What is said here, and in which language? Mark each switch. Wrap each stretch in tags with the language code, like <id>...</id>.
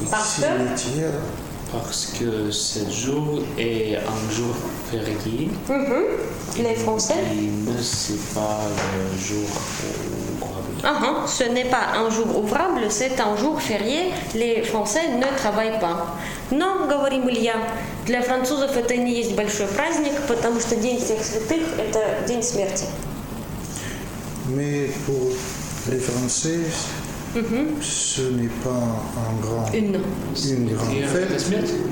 <fr>Parce que ce jour est un jour férié. Mm-hmm. Les Français? Et ne c'est pas le jour ouvrable. Ce n'est pas un jour ouvrable, c'est un jour férié. Les Français ne travaillent pas.</fr> <ru>Non, говорим Илья, для французов это не есть большой праздник, потому что День всех святых – это день смерти.</ru> <fr>Mais pour les Français, ce n'est pas un grand, une grande fête.</fr>